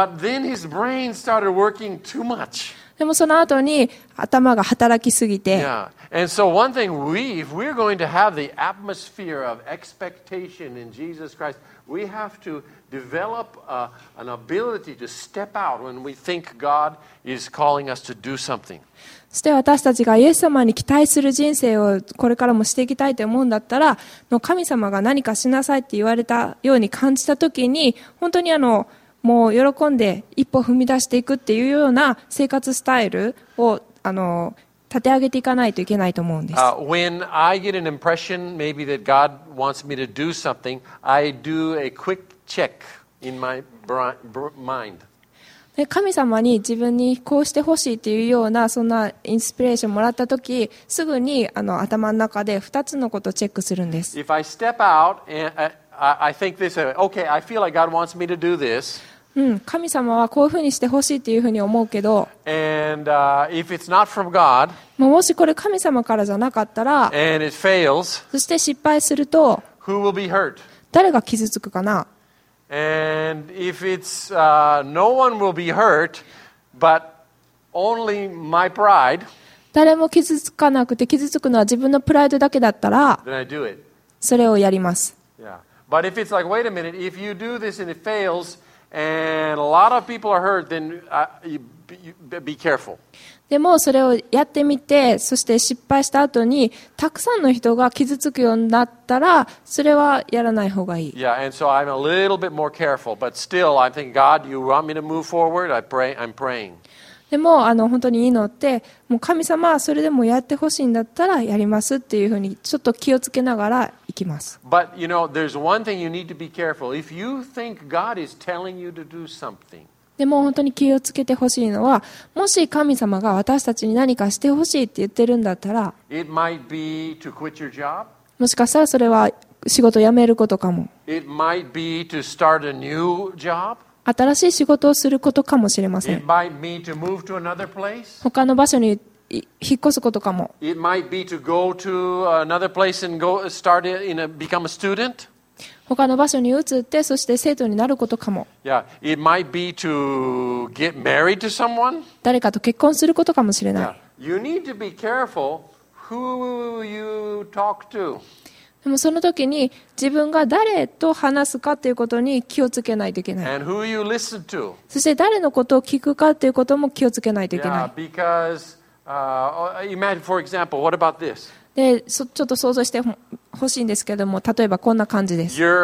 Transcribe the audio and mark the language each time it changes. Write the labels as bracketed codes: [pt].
[en] But then his brain started working too much. [ja] でもその後に頭が働きすぎて。 [en] Yeah. And so one thing if we're going to have the atmosphere of expectation in Jesus Christ, we have to develop an ability to step out when we think God is calling us to do something. [ja] そして私たちがイエス様に期待する人生をこれからもしていきたいと思うんだったら、神様が何かしなさいって言われたように感じたときに、本当にもう喜んで一歩踏み出していくっていうような生活スタイルを立て上げていかないといけないと思うんです。 [en] When I get an impression maybe that God wants me to do something, I do a quick check in my mind. [ja] 神様に自分にこうしてほしいっていうようなそんなインスピレーションもらったとき、すぐに頭の中で2つのことをチェックするんです。 [en] If I step out and I think this, okay, I feel like God wants me to do this. [ja] 神様はこういうふうにしてほしいっていうふうに思うけど、 [en] and, if it's not from God, [ja] もしこれ神様からじゃなかったら、 [en] and it fails, [ja] そして失敗すると、 [en] who will be hurt? [ja] 誰が傷つくかな、 [en] and if it's, no one will be hurt, but only my pride, [ja] 誰も傷つかなくて傷つくのは自分のプライドだけだったら、 [en] then I do it. [ja] それをやります。 [en] Yeah. But if it's like, wait a minute, if you do this and it fails,And a lot of people are hurt, then be careful. [ja] でもそれをやってみて、そして失敗した後にたくさんの人が傷つくようになったら、それはやらない方がいい。 [en] Yeah, and so I'm a little bit more careful, but still, I think God, you want me to move forward. I'm praying. [ja] でも本当にいいのってもう神様はそれでもやってほしいんだったらやりますっていうふうにちょっと気をつけながら行きます。 [en] But you know, there's one thing you need to be careful. If you think God is telling you to do something. [ja] でも本当に気をつけてほしいのは、もし神様が私たちに何かしてほしいって言ってるんだったら、 [en] It might be to quit your job. [ja] もしかしたらそれは仕事を辞めることかも。 [en] It might be to start a new job. [ja] 新しい仕事をすることかもしれません。 [en] It might be to move to another place. [ja] 他の場所に引っ越すことかも。 [en] It might be to go to another place and go start in a become a student. [ja] 他の場所に移ってそして生徒になることかも。 [en] Yeah, it might be to get married to someone. [ja] 誰かと結婚することかもしれない。 [en] Yeah. You need to be careful who you talk to. [ja] でもその時に自分が誰と話すかということに気をつけないといけない。 [en] And who you listen to. [ja] そして誰のことを聞くかということも気をつけないといけない。 [en] Yeah, because, imagine, for example, what about this? [ja] でちょっと想像してほしいんですけども、例えばこんな感じです。